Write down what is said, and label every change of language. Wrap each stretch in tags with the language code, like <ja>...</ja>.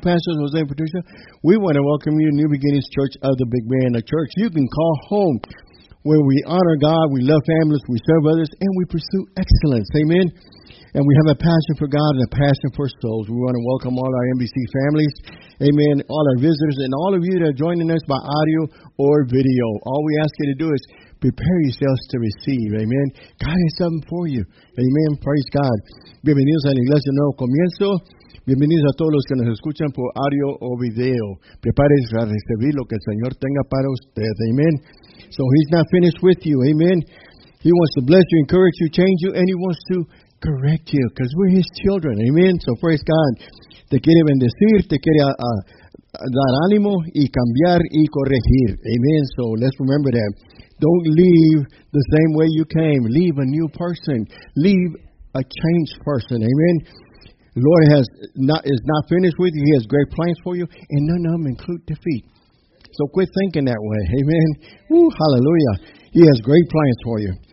<en>Pastors Jose and Patricia, we want to welcome you to New Beginnings Church of the Big Bend, a church you can call home, where we honor God, we love families, we serve others, and we pursue excellence. Amen. And we have a passion for God and a passion for souls. We want to welcome all our NBC families. Amen. All our visitors and all of you that are joining us by audio or video. All we ask you to do is prepare yourselves to receive. Amen. God has something for you. Amen. Praise God.</en> <es>Bienvenidos a la Iglesia Nuevo Comienzo. Bienvenidos a todos los que nos escuchan por audio o video. Prepárense a recibir lo que el Señor tenga para usted. Amen.</es> <en>So He's not finished with you. Amen. He wants to bless you, encourage you, change you, and He wants to correct you, because we're His children. Amen. So praise God.</en> <es>Te quiere bendecir, te quiere dar ánimo y cambiar y corregir.</es> <en>Amen. So let's remember that. Don't leave the same way you came. Leave a new person. Leave a changed person. Amen. The Lord is not finished with you. He has great plans for you, and none of them include defeat. So quit thinking that way. Amen. Woo, hallelujah. He has great plans for you.</en>